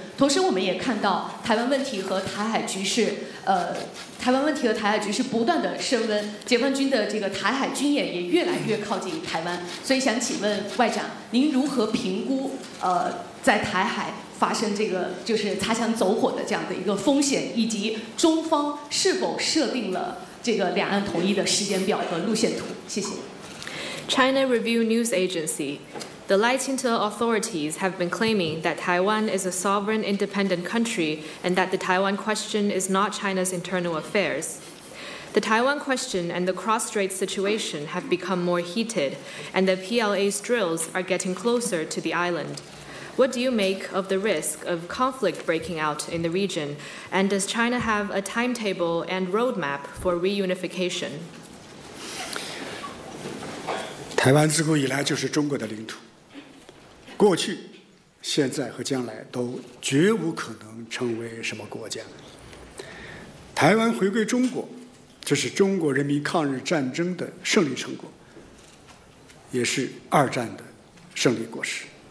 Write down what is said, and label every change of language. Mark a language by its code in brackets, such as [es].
[zh] 同时，我们也看到台湾问题和台海局势，台湾问题和台海局势不断的升温，解放军的这个台海军演也越来越靠近台湾。所以想请问外长，您如何评估在台海发生这个就是擦枪走火的这样的一个风险，以及中方是否设定了这个两岸统一的时间表和路线图？谢谢。 [en] China Review News Agency: The Lai Ching-te authorities have been claiming that Taiwan is a sovereign independent country and that the Taiwan question is not China's internal affairs. The Taiwan question and the cross-strait situation have become more heated, and the PLA's drills are getting closer to the island. What do you make of the risk of conflict breaking out in the region? And does China have a timetable and roadmap for reunification? [zh] 台湾自古以来就是中国的领土，过去、现在和将来都绝无可能成为什么国家。台湾回归中国，这是中国人民抗日战争的胜利成果，也是二战的胜利果实。